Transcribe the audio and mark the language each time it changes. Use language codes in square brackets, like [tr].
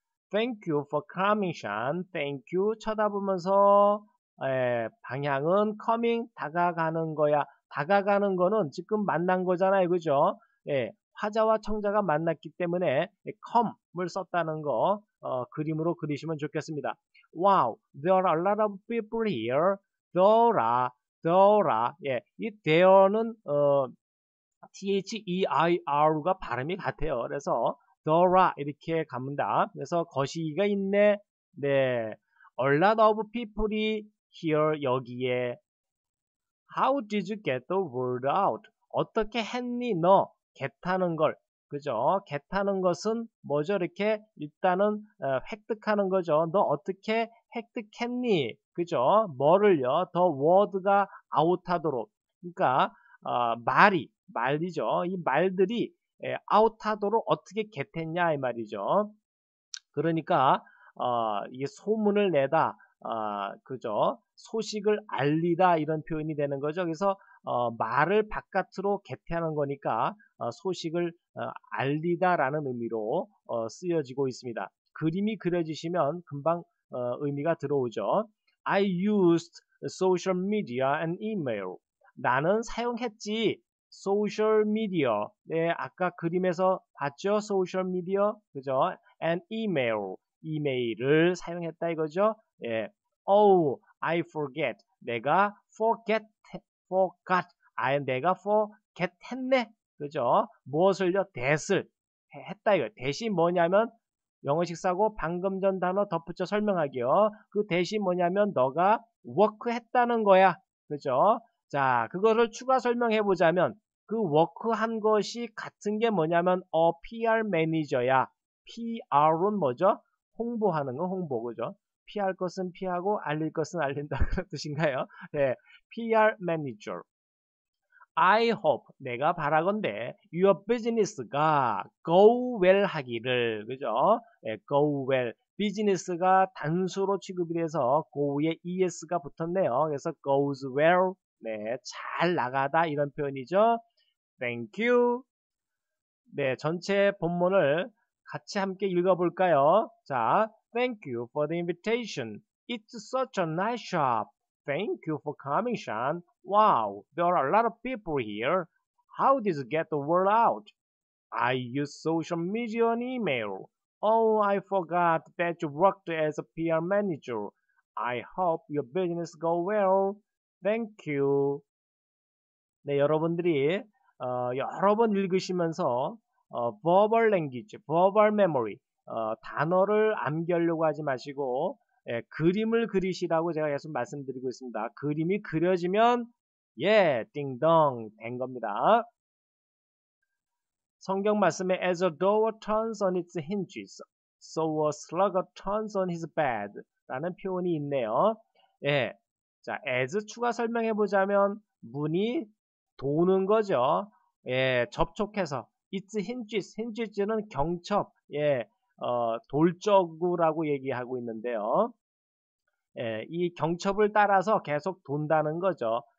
[en] Thank you for coming, Sean. Thank you. [ko] 쳐다보면서, 에, 방향은 coming, 다가가는 거야. 다가가는 거는 지금 만난 거잖아요. 그죠? 예, 화자와 청자가 만났기 때문에 come을 썼다는 거, 그림으로 그리시면 좋겠습니다. [en] Wow, there are a lot of people here. There are. [ko] 예, 이 there는, T-H-E-I-R과 발음이 같아요. 그래서 더라 이렇게 갑니다. 그래서 거시기가 있네. 네, [en] a lot of people [ko] 이 here 여기에. [en] How did you get the word out? [ko] 어떻게 했니 너? get 하는 걸. 그죠? get 하는 것은 뭐죠? 이렇게 일단은 획득하는 거죠. 너 어떻게 획득했니? 그죠? 뭐를요? the word가 out하도록. 그러니까 말이 말이죠. 이 말들이 아웃하도록 어떻게 겟했냐 이 말이죠. 그러니까 이게 소문을 내다, 그죠? 소식을 알리다 이런 표현이 되는 거죠. 그래서 말을 바깥으로 겟하는 거니까 소식을 알리다라는 의미로 쓰여지고 있습니다. 그림이 그려지시면 금방 의미가 들어오죠. [en] I used social media and email. [ko] 나는 사용했지. 소셜 미디어, 네, 아까 그림에서 봤죠? 소셜 미디어, 그죠? an email, 이메일을 사용했다 이거죠. [en] 예. Oh, I forget. [ko] 내가 [en] forget, forgot. [ko] 아, 내가 forget 했네. 그죠? 무엇을요? that을 했다 이거. 대신 뭐냐면 영어식 사고 방금 전 단어 덧붙여 설명하기요. 그 대신 뭐냐면 너가 work 했다는 거야. 그죠? 자, 그거를 추가 설명해 보자면 그 work 한 것이 같은 게 뭐냐면 a PR 매니저야. PR은 뭐죠? 홍보하는 거, 홍보, 그죠? PR 것은 PR하고 알릴 것은 알린다. 그런 뜻인가요? 네. PR manager. [en] I hope, [ko] 내가 바라건대, [en] your business가 go well 하기를, 그죠? 네, go well. [ko] business가 단수로 취급이 돼서 go에 es가 붙었네요. [en] 그래서 goes well. [ko] 네, 잘 나가다. 이런 표현이죠. [en] Thank you. [ko] 네, 전체 본문을 같이 함께 읽어볼까요? [en] 자, Thank you for the invitation. It's such a nice shop. Thank you for coming, Sean. Wow, there are a lot of people here. How did you get the word out? I use social media and email. Oh, I forgot that you worked as a PR manager. I hope your business go well. Thank you. [ko] 네, 여러분들이 여러 번 읽으시면서 verbal language, verbal memory, 단어를 암기하려고 하지 마시고 예, 그림을 그리시라고 제가 계속 말씀드리고 있습니다. 그림이 그려지면 예, 띵동 된 겁니다. 성경 말씀에 [en] As a door turns on its hinges, so a slugger turns on his bed [ko] 라는 표현이 있네요. 예, 자, as 추가 설명해 보자면 문이 도는 거죠. 예, 접촉해서 Its hinges, hinges는 경첩, 예, 돌쩌구라고 얘기하고 있는데요. 예, 이 경첩을 따라서 계속 돈다는 거죠.